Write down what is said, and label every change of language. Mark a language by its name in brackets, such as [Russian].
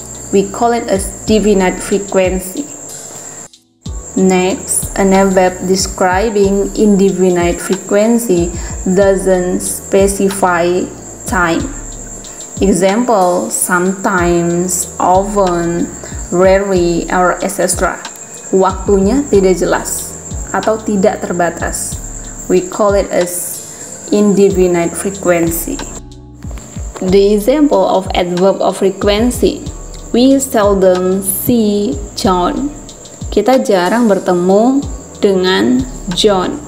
[English] We call it as definite frequency. Next, an adverb describing indefinite frequency doesn't specify time. Example, sometimes, often, rarely, or etc. [Indonesian] Waktunya tidak jelas atau tidak terbatas. [English] We call it as indefinite frequency. The example of adverb of frequency, we seldom see John. [Indonesian] Kita jarang bertemu dengan John.